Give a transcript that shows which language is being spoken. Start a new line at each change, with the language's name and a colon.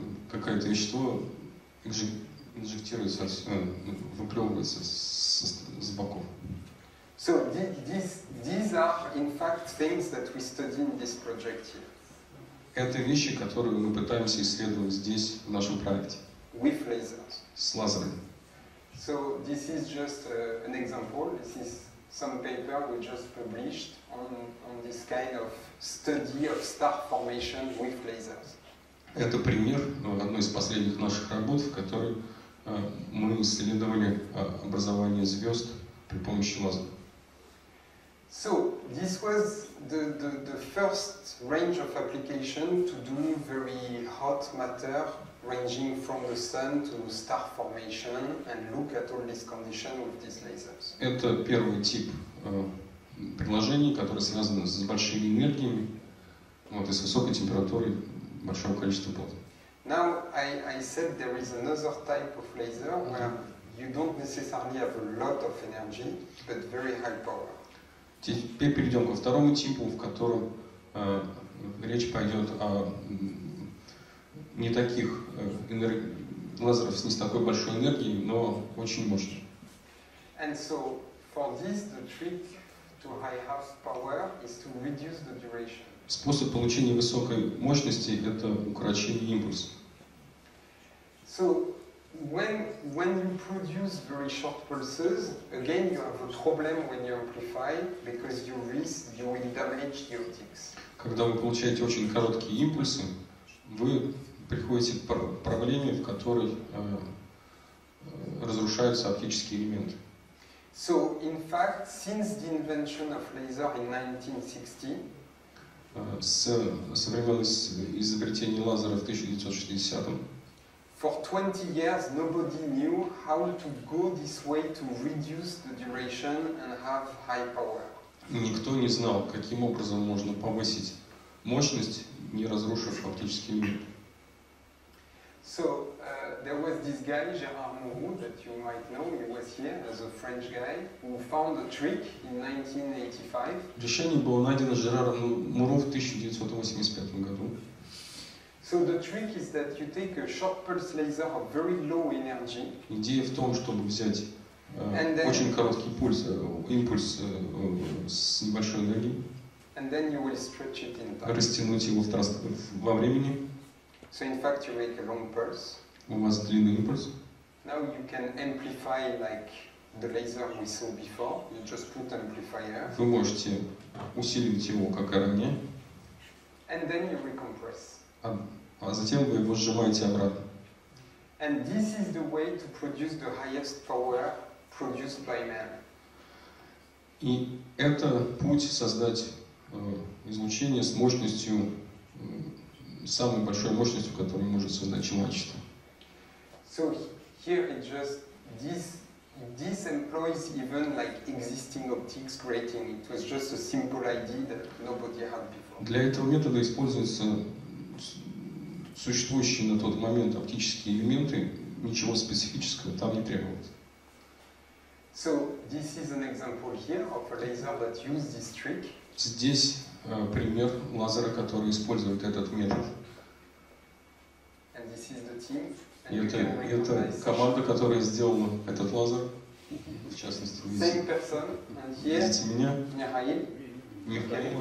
Russian: Какое-то вещество инжектируется, выплевывается с боков.
English: So these are in fact things that we study in this project here.
Russian: Это вещи, которые мы пытаемся исследовать здесь, в нашем проекте.
English: With lasers.
Russian: С лазерами.
English: So this is just an example. This is some paper we just published on this kind of study of star formation with lasers.
Russian: Это пример одной из последних наших работ, в которой мы исследовали образование звезд при помощи лазера.
English: So this was the first range of application to do very hot matter ranging from the sun to star formation and look at all these conditions with these lasers.
Russian: Это первый тип приложений, которые связаны с большими энергиями, вот, и с высокой температурой большого количества плазмы.
English: Now I said there is another type of laser where you don't necessarily have a lot of energy, but very high power.
Russian: Теперь перейдем ко второму типу, в котором речь пойдет о не таких лазеров с не такой большой энергией, но очень мощных.
English: And so for this the trick to high power is to reduce the duration.
Russian: Способ получения высокой мощности – это укорочение импульса.
English: So when you produce very short pulses, again you have a problem when you amplify because you will damage the optics.
Russian: Когда вы получаете очень короткие импульсы, вы приходите к проблеме, в которой разрушаются оптические элементы.
English: So in fact, since the invention of laser in 1960.
Russian: Со времен изобретения лазера в 1960-м.
English: For 20 years, nobody knew how to go this way to reduce the duration and have high power.
Russian: Никто не знал, каким образом можно повысить мощность, не разрушив оптический элемент.
English: So there was this guy Gérard Mourou that you might know. He was here as a French guy who found a trick in 1985.
Russian: Решение было найдено Жераром Муру в 1985 году.
English: So the trick is that you take a short pulse laser of very low energy.
Russian: Идея в том, чтобы взять очень короткий пульс, импульс с небольшой энергией.
English: And then you will stretch it in time.
Russian: Растянуть его во времени.
English: So in fact you make a long pulse.
Russian: У вас длинный импульс.
English: Now you can amplify like the laser we saw before. You just put amplifier.
Russian: Вы можете усиливать его как ранее.
English: And then you recompress.
Russian: А затем вы его сжимаете обратно.
English: And this is the way to produce the highest power produced by man.
Russian: И это путь создать излучение с мощностью, самой большой мощностью, которую может создать человечество.
English: So here it just this employs even like existing optics grating. It was just a simple idea that nobody had before.
Russian: Для этого метода используются существующие на тот момент оптические элементы, ничего специфического там не требовалось.
English: So this is an example here of a laser that used this trick.
Russian: Здесь пример лазера, который использует этот метод.
English: And this is the team.
Russian: Это команда, которая сделала этот лазер, в частности, здесь.
English: Same person, and here.
Russian: Здесь меня. Михаил. Михаил.